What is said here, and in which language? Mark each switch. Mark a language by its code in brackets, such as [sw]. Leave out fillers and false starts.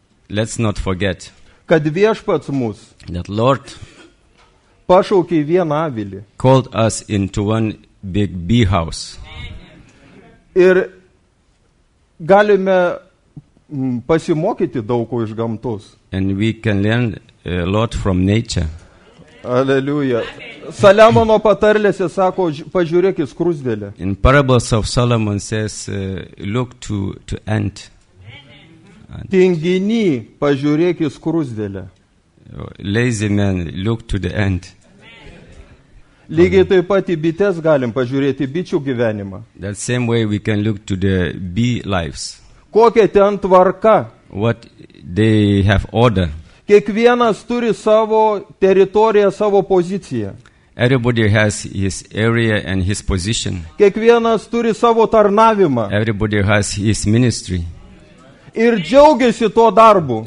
[en] Let's not forget. [lt] Kad viešpats mus. [en] That Lord. [lt] Pašaukė į vieną avilį. [en] Called us into one big bee house. [lt] Ir galime pasimokyti daug ko iš gamtos. [en] And we can learn a lot from nature. [lt] Aleluja. Saliamono patarlėse sako, pažiūrėk į skruzdėlę. [en] In parables of Solomon says, look to ant. [lt] Tingini, pažiūrėk į skruzdėlę. [en] Lazy man, look to the ant. [lt] Lygiai taip pat į bites galim pažiūrėti bičių gyvenimą. [en] That same way we can look to the bee lives. [lt] Kokia ten tvarka? [en] What they have order. [lt] Kiekvienas turi savo teritoriją, savo poziciją. [en] Everybody has his area and his position. [lt] Kiekvienas turi savo tarnavimą. [en] Everybody has his ministry. [lt] Ir džiaugiasi tuo darbu.